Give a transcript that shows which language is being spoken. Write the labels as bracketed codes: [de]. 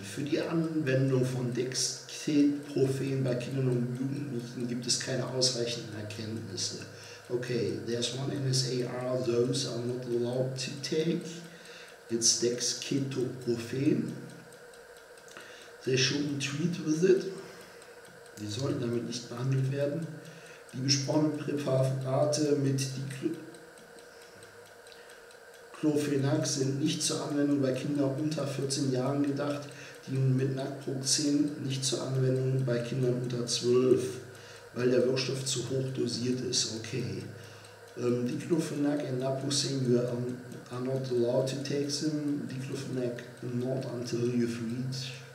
[de] Für die Anwendung von Dexmedetomidin bei Kindern und Jugendlichen gibt es keine ausreichenden Erkenntnisse. [en] Okay, there's one NSAR, those are not allowed to take. It's Dexmedetomidin. They shouldn't treat with it. [de] Die sollten damit nicht behandelt werden. Die besprochenen Präparate mit Diclofenac sind nicht zur Anwendung bei Kindern unter 14 Jahren gedacht. Die mit Naproxen nicht zur Anwendung bei Kindern unter 12, weil der Wirkstoff zu hoch dosiert ist. Okay. [en] Diclofenac and Naproxen, you are not allowed to take them. Diclofenac not until you've reached